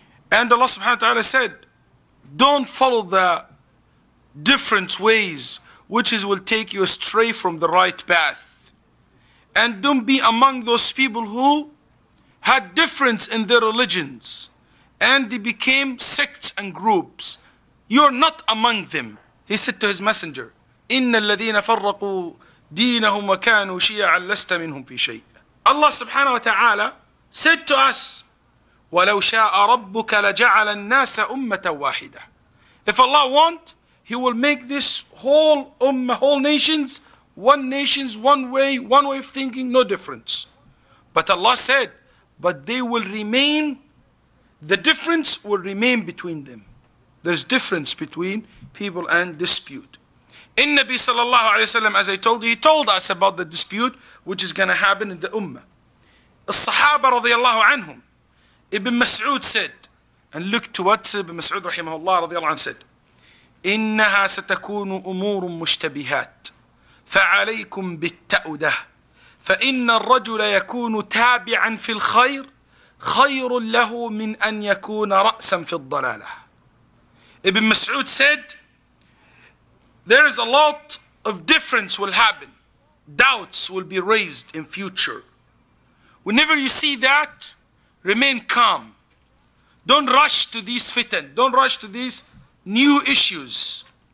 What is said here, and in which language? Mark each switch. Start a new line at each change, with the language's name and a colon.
English: And Allah subhanahu wa ta'ala said, don't follow the different ways which is will take you astray from the right path. And don't be among those people who had difference in their religions and they became sects and groups. You're not among them. He said to his messenger,
Arabic: إِنَّ الَّذِينَ فَرَّقُوا دِينَهُمْ وَكَانُوا شِيَعًا لَسْتَ مِنْهُمْ فِي شَيْءٍ.
English: Allah subhanahu wa ta'ala said to us,
Arabic: وَلَوْ شَاءَ رَبُّكَ لَجَعَلَ النَّاسَ أُمَّةً وَاحِدَةً.
English: If Allah want, He will make this whole ummah, whole nations, one nations, one way of thinking, no difference. But Allah said, but they will remain, the difference will remain between them. There's difference between people and dispute. In Nabi sallallahu alayhi wa sallam, as I told you, he told us about the dispute which is going to happen in the ummah. As-sahaba radiyallahu anhum, Ibn Mas'ud said, and look to what Ibn Mas'ud rahimahullah radiyallahu anhu said,
Arabic: إِنَّهَا سَتَكُونُ أُمُورٌ مُشْتَبِهَاتٌ فَعَلَيْكُمْ بِالتَّأُدَهِ فَإِنَّ الرَّجُلَ يَكُونُ تَابِعًا فِي الْخَيْرِ خَيْرٌ لَهُ مِنْ أَنْ يَكُونَ رَأْسًا فِي الضَّلَالَةِ.
English: Ibn Mas'ud said, there is a lot of difference will happen. Doubts will be raised in future. Whenever you see that, remain calm. Don't rush to these fitan. Don't rush to these new issues.